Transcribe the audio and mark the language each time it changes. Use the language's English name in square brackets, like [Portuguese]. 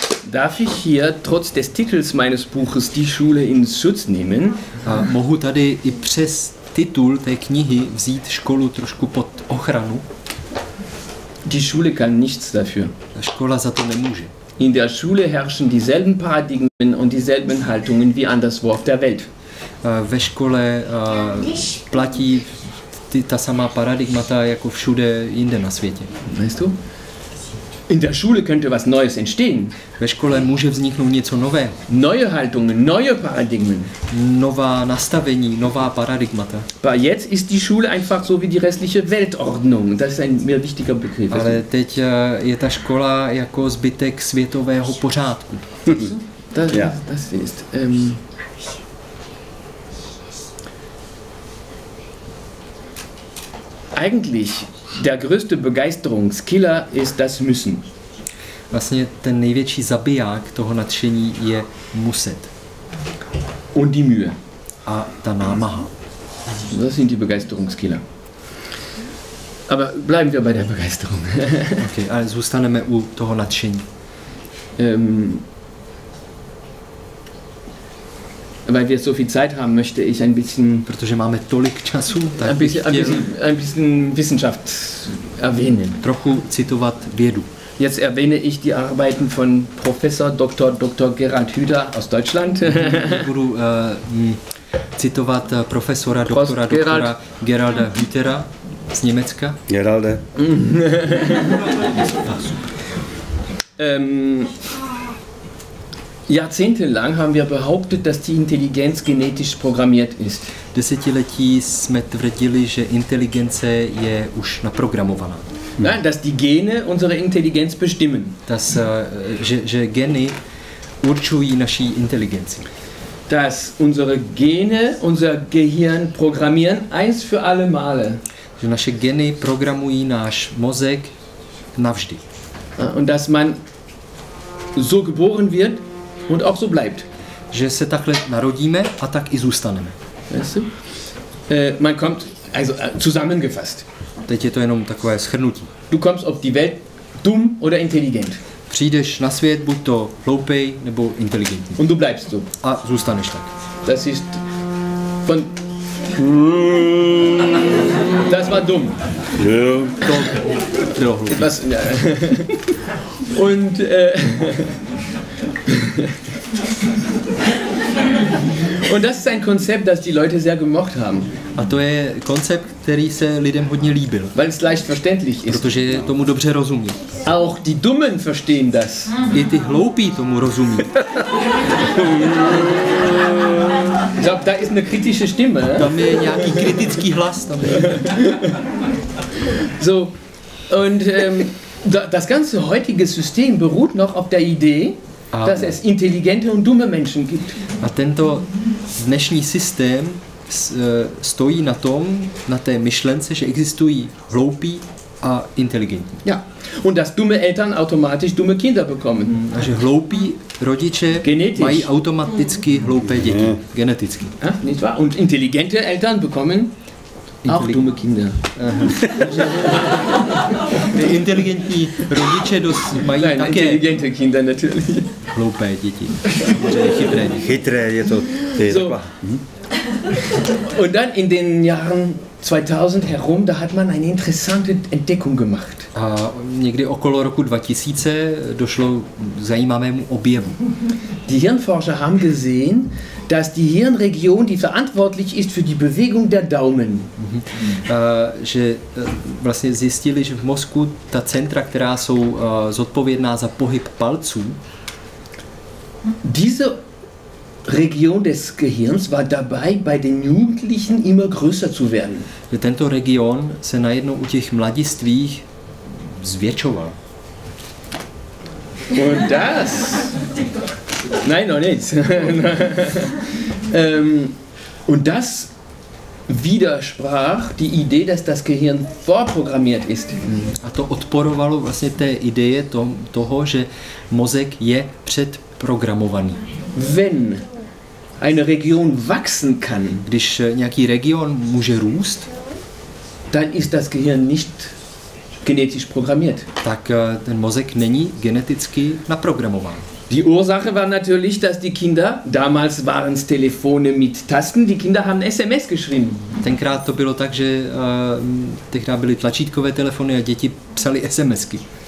[German] Darf ich hier trotz des Titels meines Buches die Schule in Schutz nehmen? [Czech] Mohu tady i přes titul té knihy vzít školu trošku pod ochranu? [German] Die Schule kann nichts dafür. [Czech] Škola za to nemůže. [German] In der Schule herrschen dieselben Paradigmen und dieselben Haltungen wie anderswo auf der Welt. [Czech] Ve škole platí ta samá paradigmata jako všude jinde na světě. [German] Weißt du? In der Schule könnte was Neues entstehen. [Czech] Ve škole může vzniknout něco nového. [German] Neue Haltungen, neue Paradigmen. [Czech] Nová nastavení, nová paradigmata. [German] Aber jetzt ist die Schule einfach so wie die restliche Weltordnung. Das ist ein mir wichtiger Begriff. [Czech] Ale teď je ta škola jako zbytek světového pořádku. [German] Das, ja. Das ist... eigentlich der größte Begeisterungskiller ist das Müssen. [Czech] Vlastně ten největší zabiják toho nadšení je muset. [German] Und die Mühe. [Czech] A ta námaha. [German] Das sind die Begeisterungskiller. Aber bleiben wir bei der Begeisterung. [Czech] Okay, ale zůstaneme u toho nadšení. [German] Weil wir so viel Zeit haben, möchte ich ein bisschen, [Czech] protože máme tolik času, tak [German] ein bisschen Wissenschaft erwähnen. [Czech] Trochu citovat vědu. [German] Jetzt erwähne ich die Arbeiten von Professor Dr. Gerhard Hüther aus Deutschland. [Czech] Budu citovat profesora doktora Gerald. Gerarda Hüthera z Německa. Geralde. [German] Jahrzehntelang haben wir behauptet, dass die Intelligenz genetisch programmiert ist. [Czech] Desetiletí jsme tvrdili, že inteligence je už naprogramovaná. [German] Nein, dass die Gene unsere Intelligenz bestimmen. Dass [Czech] že geny určují naši inteligenci. [German] Dass unsere Gene unser Gehirn programmieren eins für alle Male. [Czech] Že naše geny programují náš mozek navždy. [German] Und dass man so geboren wird. Und auch so bleibt. [Czech] Že se takhle narodíme a tak i zůstaneme. [German] Weißt du? Man kommt, also zusammengefasst. [Czech] Teď je to jenom takové shrnutí. [German] Du kommst auf die Welt dumm oder intelligent. [Czech] Přijdeš na svět buď to hloupej nebo inteligentní. [German] Und du bleibst so. [Czech] A zůstaneš tak. [German] Das ist von... Das war dumm. Ja. Doch. Was, ja. Und... Und das ist ein Konzept, das die Leute sehr gemocht haben. [Czech] A to je koncept, který se lidem hodně líbil. [German] Weil es leicht verständlich ist. [Czech] Protože tomu dobře rozumí. [German] Auch die Dummen verstehen das. [Czech] I ty hloupí tomu rozumí. [German] Ich glaube, da ist eine kritische Stimme. [Czech] Tam je nějaký kritický hlas. Tam je. [German] So, und das ganze heutige System beruht noch auf der Idee, dass es intelligente und dumme Menschen gibt. [Czech] A tento dnešní systém stojí na tom, na té myšlence, že existují hloupí a inteligentní. [German] Ja. Und dass dumme Eltern automatisch dumme Kinder bekommen. [Czech] A že hloupí rodiče mají automaticky hloupé děti. [German] Ja. [Czech] Geneticky. [German] Ja, nicht wahr? Und intelligente Eltern bekommen auch dumme Kinder. [Czech] Intelligentní rodiče mají [German] nein, [Czech] také [German] intelligente Kinder natürlich. [Czech] Hloupé děti. Chytré děti. Chytré je to. Je [German] so. Und dann in den Jahren 2000 herum, da hat man eine interessante Entdeckung gemacht. [Czech] A někdy okolo roku 2000 došlo zajímavému objevu. [German] Die Hirnforscher haben gesehen, dass die Hirnregion, die verantwortlich ist für die Bewegung der Daumen. [Czech] Že vlastně zjistili, že v mozku ta centra, která jsou zodpovědná za pohyb palců, [German] diese Region des Gehirns war dabei bei den Jugendlichen immer größer zu werden. [Czech] Že tento region se najednou u těch mladistvích zvětšoval. [German] Und das... Nein, noch nichts. und das widersprach die Idee, dass das Gehirn vorprogrammiert ist. [Czech] A to odporovalo vlastně té ideje toho, že mozek je předprogramovaný. [German] Wenn eine Region wachsen kann, [Czech] když nějaký region může růst, [German] dann ist das Gehirn nicht genetisch programmiert. [Czech] Tak ten mozek není geneticky naprogramován. [German] Die Ursache war natürlich, dass die Kinder, damals waren es Telefone mit Tasten, die Kinder haben SMS geschrieben. [Czech] Tenkrát to bylo tak, že tehdy byly tlačítkové telefony a děti psali SMSky.